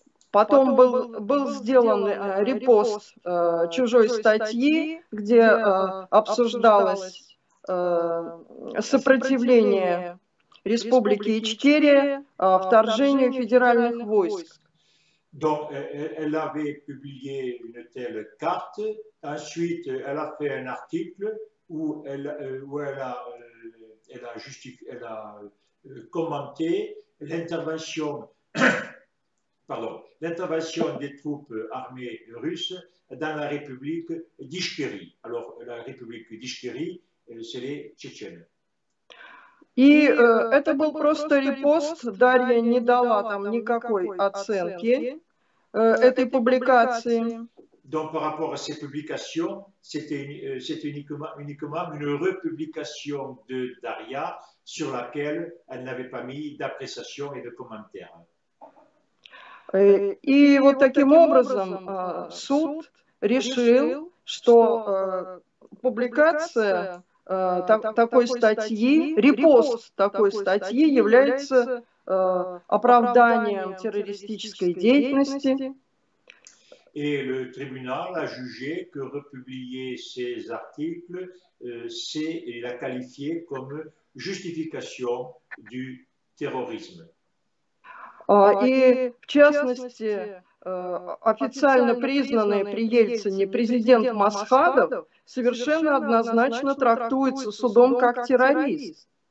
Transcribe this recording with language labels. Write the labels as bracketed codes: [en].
[ru] Потом был сделан репост чужой статьи, где обсуждалось сопротивление Республики Ичкерия вторжению федеральных войск. [fr] Donc, elle avait publié une telle carte. Ensuite, elle a fait un article où elle a commenté l'intervention l'intervention des troupes armées russes dans la République d'Ichkérie. Alors, la République d'Ichkérie, c'est les Tchétchènes. [ru] И это был просто репост. Дарья не дала там никакой оценки этой публикации. [fr] Donc, par rapport à ces publications, c'était uniquement une republication de Дарья, sur laquelle elle n'avait pas mis d'appréciation et de commentaire. [ru] И вот таким образом суд решил, что публикация такой статьи, репост такой статьи является оправданием террористической деятельности. [fr] Et le tribunal a jugé que republier ces articles, c'est la qualifier comme justification du terrorisme. [ru] И в частности, официально признанный при Ельцине президент Масхадов совершенно однозначно трактуется судом как террорист.